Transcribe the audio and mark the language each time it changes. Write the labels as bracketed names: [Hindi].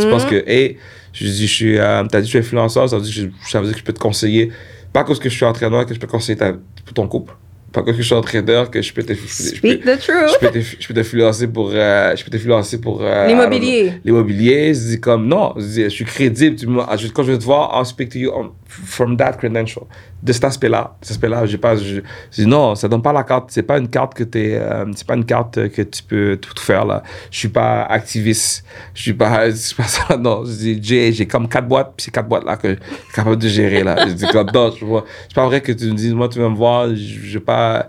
[French] Tu penses que, hey, je suis influenceur, ça veut dire que je peux te conseiller. Pas parce que je suis entraîneur que je peux conseiller pour ton couple. pas que je suis entraîneur, que je peux te... Je peux te financer pour l'immobilier. L'immobilier, je dis comme, non, je suis crédible. Quand je vais te voir, [English] I'll speak to you on, from that credential. [French] De cet aspect-là. Je dis, non, ça donne pas la carte. C'est pas une carte que t'es... c'est pas une carte que tu peux tout faire, là. Je suis pas activiste. Je suis pas ça, non. Je dis, j'ai comme 4 boîtes, puis c'est 4 boîtes-là que je suis capable de gérer, là. Je dis, comme, non, c'est pas vrai que tu me dises, moi, tu vas me voir, je pas...